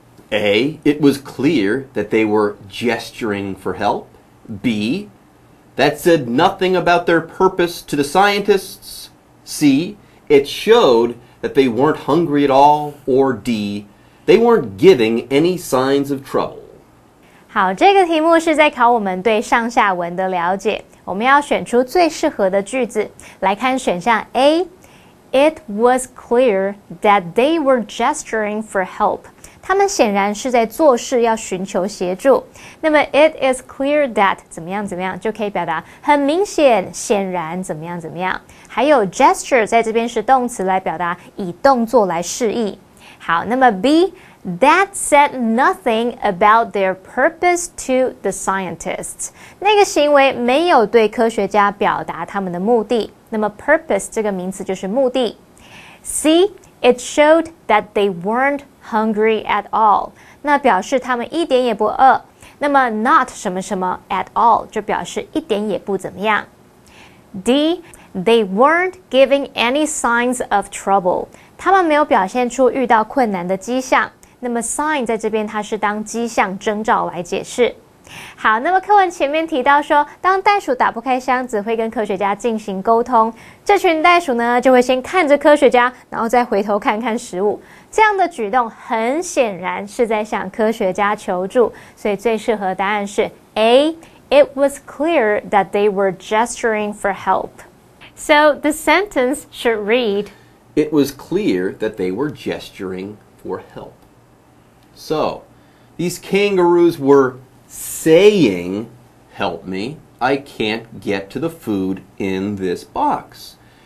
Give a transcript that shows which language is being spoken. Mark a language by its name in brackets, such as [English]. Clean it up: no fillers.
[English] A, it was clear that they were gesturing for help. B... That said nothing about their purpose to the scientists. C, it showed that they weren't hungry at all. Or D, they weren't giving any signs of trouble. [Chinese] 好，这个题目是在考我们对上下文的了解。我们要选出最适合的句子。来看选项 [English] A, it was clear that they were gesturing for help. [Chinese] 他们显然是在做事要寻求协助。那么 [English] it is clear that [Chinese] 怎么样怎么样就可以表达很明显显然怎么样怎么样。还有 gesture 在这边是动词来表达以动作来示意。好，那么 [English] B, that said nothing about their purpose to the scientists. [Chinese] 那个行为没有对科学家表达他们的目的。那么 purpose 这个名词就是目的。 [English] C, it showed that they weren't hungry at all. [Chinese] 那表示他们一点也不饿。那么 not 什么什么 [English] at all [Chinese] 就表示一点也不怎么样。 [English] D, they weren't giving any signs of trouble. [Chinese] 他们没有表现出遇到困难的迹象。那么 sign 在这边它是当迹象征兆来解释。好，那么课文前面提到说，当袋鼠打不开箱子会跟科学家进行沟通，这群袋鼠呢就会先看着科学家，然后再回头看看食物。这样的举动很显然是在向科学家求助，所以最适合答案是 A, [English] it was clear that they were gesturing for help. So the sentence should read, it was clear that they were gesturing for help. So these kangaroos were saying, help me, I can't get to the food in this box.